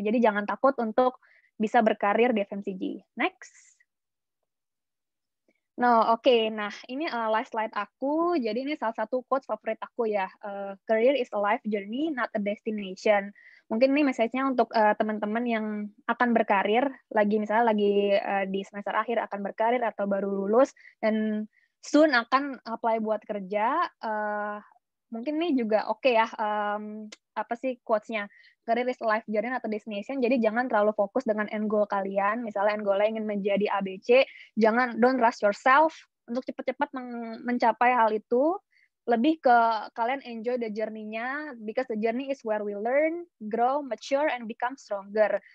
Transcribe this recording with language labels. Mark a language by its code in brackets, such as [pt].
[id] Jadi jangan takut untuk bisa berkarir di FMCG. Next. Nah ini last slide aku. Jadi ini salah satu quote favorit aku ya. [en] Career is a life journey, not a destination. [id] Mungkin ini message-nya untuk teman-teman yang akan berkarir, lagi di semester akhir akan berkarir atau baru lulus, dan soon akan apply buat kerja. Mungkin ini juga okay ya. Apa sih quotes-nya? [en] Career is a life journey [id] atau destination. Jadi jangan terlalu fokus dengan end goal kalian. Misalnya end goal-nya ingin menjadi ABC, jangan, [en] don't rush yourself [id] untuk cepat-cepat mencapai hal itu. Lebih ke kalian [en] enjoy the journey-nya, because the journey is where we learn, grow, mature, and become stronger.